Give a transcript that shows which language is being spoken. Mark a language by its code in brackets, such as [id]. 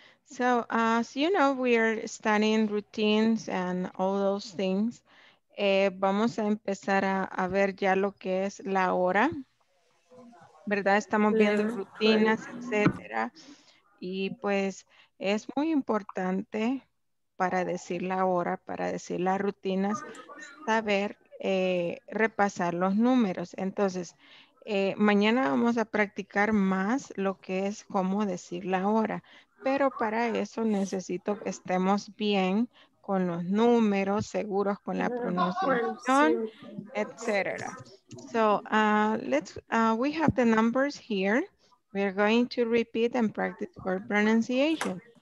[en] So as you know, we are studying routines and all those things. [es] Vamos a empezar a ver ya lo que es la hora. ¿Verdad? Estamos viendo rutinas, etcétera. Y pues es muy importante para decir la hora, para decir las rutinas, saber repasar los números. Entonces, mañana vamos a practicar más lo que es cómo decir la hora, pero para eso necesito que estemos bien con los números, seguros con la pronunciación, etc. [en] So, we have the numbers here. We are going to repeat and practice word pronunciation.